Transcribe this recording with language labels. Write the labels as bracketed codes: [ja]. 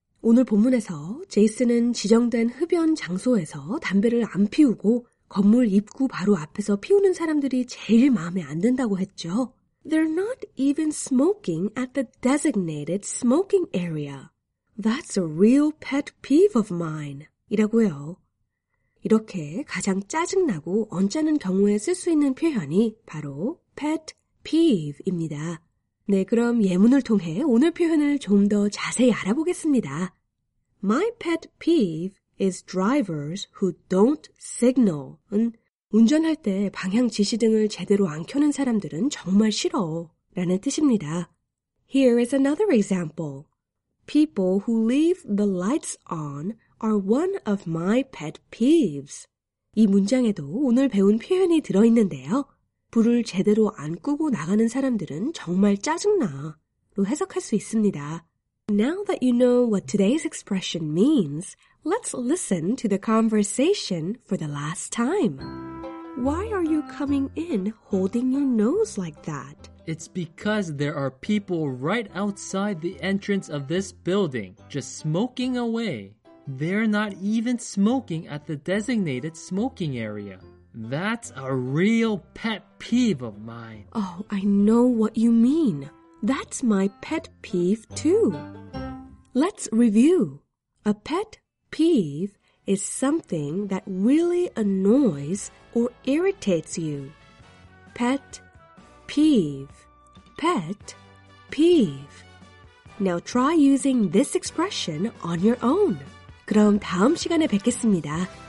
[ko] 오늘 본문에서 제이슨은 지정된 흡연 장소에서 담배를 안 피우고 건물 입구 바로 앞에서 피우는 사람들이 제일 마음에 안 든다고 했죠. [en] They're not even smoking at the designated smoking area. That's a real pet peeve of mine. [ko] 이라고요. 이렇게 가장 짜증나고 언짢은 경우에 쓸 수 있는 표현이 바로 pet peeve입니다. 네, 그럼 예문을 통해 오늘 표현을 좀 더 자세히 알아보겠습니다. [en] My pet peeve is drivers who don't signal. [ko] 운전할 때 방향 지시등을 제대로 안 켜는 사람들은 정말 싫어 라는 뜻입니다. [en] Here is another example. People who leave the lights on are one of my pet peeves. [ko] 이 문장에도 오늘 배운 표현이 들어있는데요. 불을 제대로 안 끄고 나가는 사람들은 정말 짜증나 로 해석할 수 있습니다. [en] Now that you know what today's expression means, let's listen to the conversation for the last time. Why are you coming in holding your nose like that? It's because there are people right outside the entrance of this building, just smoking away. They're not even smoking at the designated smoking area. That's a real pet peeve of mine. Oh, I know what you mean. That's my pet peeve too. Let's review. A pet peeve is something that really annoys or irritates you. Pet peeve. Pet peeve. Now try using this expression on your own. [ko] 그럼 다음 시간에 뵙겠습니다.